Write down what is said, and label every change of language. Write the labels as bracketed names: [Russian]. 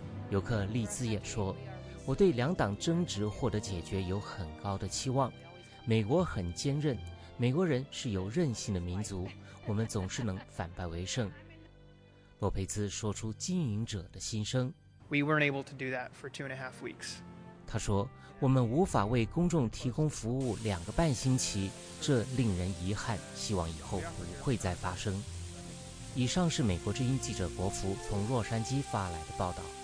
[Chinese] 游客利兹也说，我对两党争执获得解决有很高的期望。美国很坚韧，美国人是有韧性的民族，我们总是能反败为胜。洛佩兹说出经营者的心声。 [English] We weren't able to do that for 2.5 weeks. [Chinese] 他说，我们无法为公众提供服务两个半星期，这令人遗憾，希望以后不会再发生。以上是美国之音记者国福从洛杉矶发来的报道。